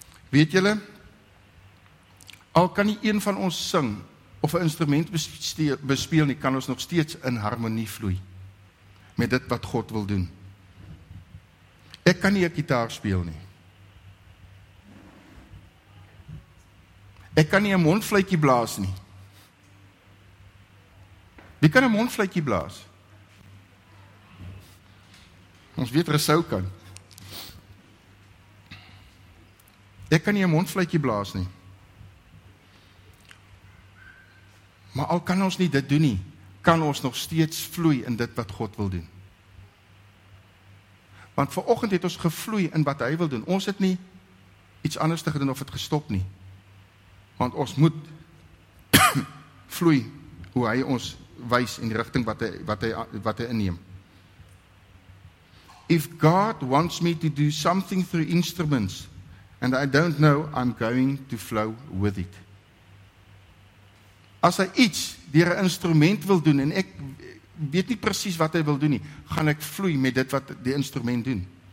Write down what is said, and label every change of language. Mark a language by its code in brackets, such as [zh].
[af] Weet julle, al kan nie een van ons sing of 'n instrument bespeel nie, kan ons nog steeds in harmonie vloei met dit wat God wil doen. Ek kan nie 'n gitaar speel nie. Ek kan nie 'n mondfluitjie blaas nie. Wie kan 'n mondfluitjie blaas? Ons weet Rousseau kan. Ek kan nie 'n mondfluitjie blaas nie. Maar al kan ons nie dit doen nie, kan ons nog steeds vloei in dit wat God wil doen. Want vanoggend het ons gevloei in wat hy wil doen. Ons het nie iets anders te gedoen of het gestop nie. Want ons moet vloei hoe hy ons wys in die rigting wat hy inneem. [en] If God wants me to do something through instruments and I don't know, I'm going to flow with it. [af] As hy iets deur 'n instrument wil doen en ek weet nie presies wat hy wil doen nie, gaan ek vloei met dit wat die instrument doen.